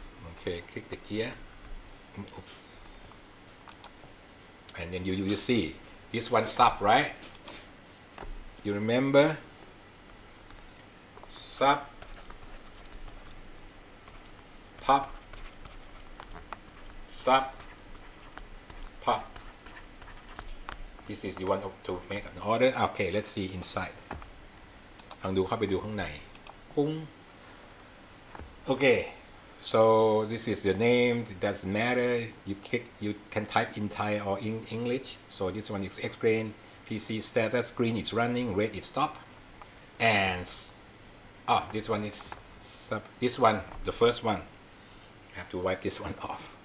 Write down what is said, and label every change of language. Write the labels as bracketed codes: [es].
[en] okay click the gear and then you see this one sub right you rememberSub, pop, sub, pop. This is you want to make an order. Okay, let's see inside. [th] ลองดูเข้าไปดูข้างในปุ้ง [en] Okay, so this is the name. It doesn't matter. You can type in Thai or in English. So this one is explain. PC status. Green is running. Red is stop. And this one is sub. This one, the first one. I have to wipe this one off.